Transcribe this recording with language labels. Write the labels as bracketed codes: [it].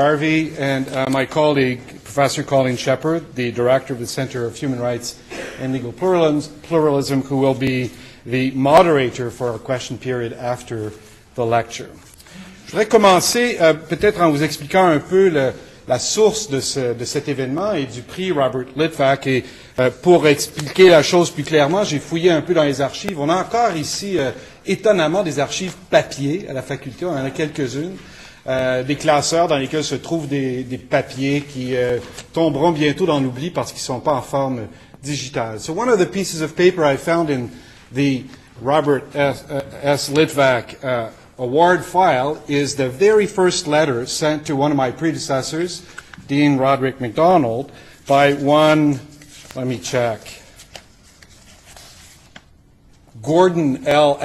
[en] Arvay and my colleague, Professor Colleen Shepherd, the director of the Center of Human Rights and Legal Pluralism, who will be the moderator for our question period after the lecture. [fr] Je voudrais commencer peut-être en vous expliquant un peu la source de cet événement et du prix Robert Litvack. Et pour expliquer la chose plus clairement, j'ai fouillé un peu dans les archives. On a encore ici, étonnamment, des archives papier à la faculté. On en a quelques-unes. Des classeurs dans lesquels se trouvent des papiers qui tomberont bientôt dans l'oubli parce qu'ils ne sont pas en forme digitale. [en] So one of the pieces of paper I found in the Robert S. Litvack Award file is the very first letter sent to one of my predecessors, Dean Roderick MacDonald, by one, let me check, Gordon L.